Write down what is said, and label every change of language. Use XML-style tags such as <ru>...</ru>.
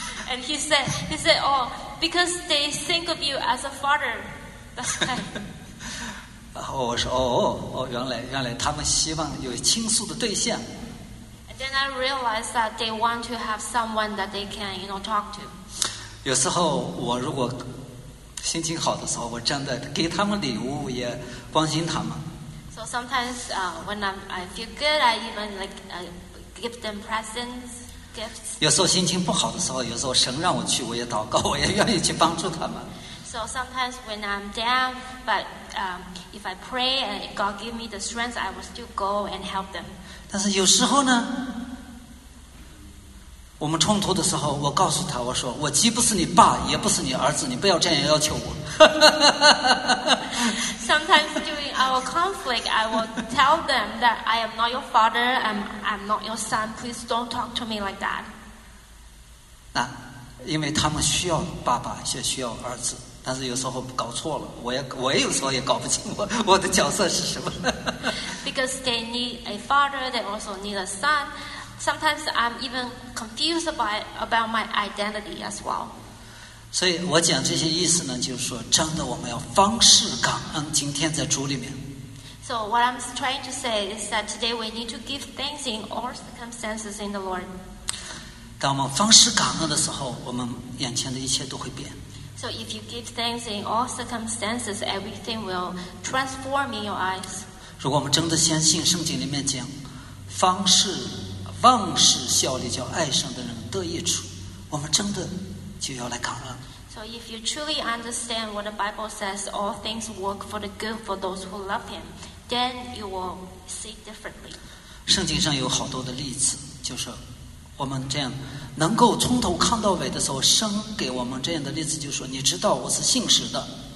<en>And he said, oh, because they think of you as a father. That's why.</en> <zh>然后我说，哦，原来他们希望有倾诉的对象。</zh> <en>And then I realized that they want to have someone that they can, you know, talk to.</en> <zh>有时候我如果心情好的时候，我真的给他们礼物，也关心他们。</zh> <en>So sometimes when I feel good, I even give them presents, gifts.</en> <zh>有时候心情不好的时候，有时候神让我去，我也祷告，我也愿意去帮助他们。</zh> <en>So sometimes when I'm down, but if I pray and God give me the strength, I will still go and help them.</en> <zh>但是有时候呢，我们冲突的时候，我告诉他，我说我既不是你爸，也不是你儿子，你不要这样要求我。</zh> <en>Sometimes during our conflict, I will tell them that I am not your father, I'm not your son. Please don't talk to me like that.</en> <zh>那因为他们需要爸爸，也需要儿子，但是有时候搞错了，我有时候也搞不清我的角色是什么。</zh> <en>Because they need a father, they also need a son. Sometimes I'm even confused about my identity as well.</en> <zh>所以我讲这些意思呢，就是说，真的我们要方式感恩。今天在主里面。</zh> <en>So what I'm trying to say is that today we need to give thanks in all circumstances in the Lord.</en> <zh>当我们方式感恩的时候，我们眼前的一切都会变。</zh> <en>So if you give thanks in all circumstances, everything will transform in your eyes.</en> <zh>如果我们真的相信圣经里面讲，方是忘事效力叫爱神的人得益处，我们真的就要来扛了。</zh> <en>So if you truly understand what the Bible says, all things work for the good for those who love Him, then you will see differently.</en> <zh>圣经上有好多的例子，就是我们这样能够从头看到尾的时候，神给我们这样的例子，就是说，你知道我是信实的。</zh>